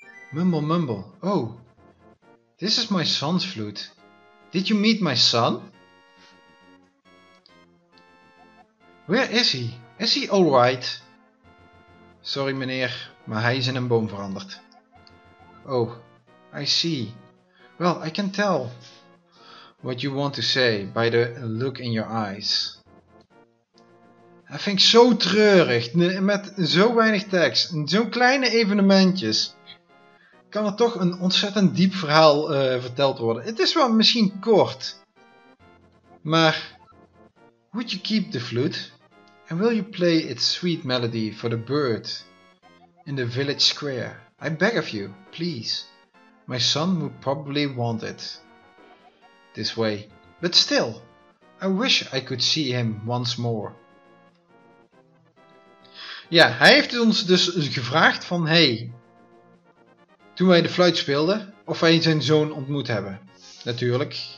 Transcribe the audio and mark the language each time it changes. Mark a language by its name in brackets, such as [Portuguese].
[English] Mumble, mumble. Oh, this is my son's flute. Did you meet my son? Where is he? Is he alright? [Dutch] Sorry meneer, maar hij is in een boom veranderd. [English] Oh, I see. Well, I can tell what you want to say by the look in your eyes. [Dutch] Dat vind ik zo treurig. Met zo weinig tekst en zo'n kleine evenementjes kan er toch een ontzettend diep verhaal verteld worden. Het is wel misschien kort. Maar [English] would you keep the flute? And will you play its sweet melody for the bird in the village square? I beg of you, please. My son would probably want it this way. But still, I wish I could see him once more. [Dutch] Ja, hij heeft ons dus gevraagd van, hey, toen wij de fluit speelden, of wij zijn zoon ontmoet hebben. Natuurlijk.